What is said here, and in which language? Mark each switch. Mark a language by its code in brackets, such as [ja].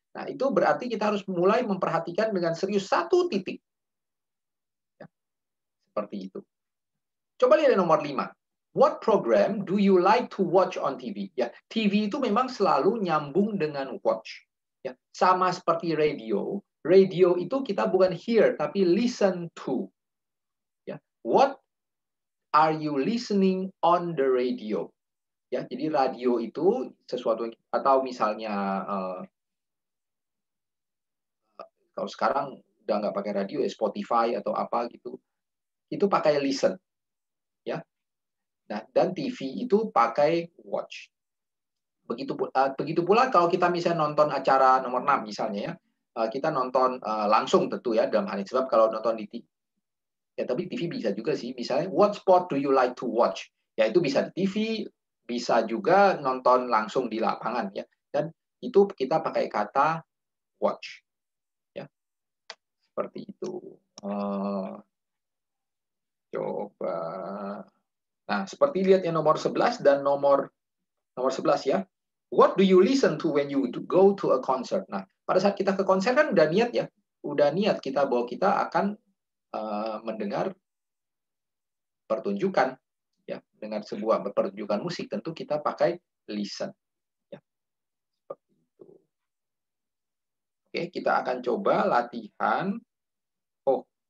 [id] Nah, itu berarti kita harus mulai memperhatikan dengan serius satu titik. Ya, seperti itu. Coba lihat nomor lima. [en] What program do you like to watch on TV? [id] Ya, TV itu memang selalu nyambung dengan watch. Ya, sama seperti radio. Radio itu kita bukan hear tapi listen to. [en] Ya, what are you listening on the radio? [id] Ya, jadi radio itu sesuatu atau misalnya kalau sekarang udah nggak pakai radio ya Spotify atau apa gitu, itu pakai listen. Ya. Nah, dan TV itu pakai watch. Begitu pula kalau kita misalnya nonton acara nomor 6 misalnya ya, kita nonton langsung tentu ya dalam hal ini. Sebab kalau nonton di TV, ya tapi TV bisa juga sih. Misalnya, [en] what sport do you like to watch? [id] Ya itu bisa di TV, bisa juga nonton langsung di lapangan ya. Dan itu kita pakai kata watch. Ya, seperti itu. Coba. Nah, seperti lihat yang nomor 11 dan nomor 11 ya. [en] What do you listen to when you go to a concert? [id] Nah, pada saat kita ke konser kan udah niat ya. Udah niat kita bahwa kita akan mendengar pertunjukan ya, dengan sebuah pertunjukan musik tentu kita pakai listen ya. Seperti itu. Oke, kita akan coba latihan. Oh.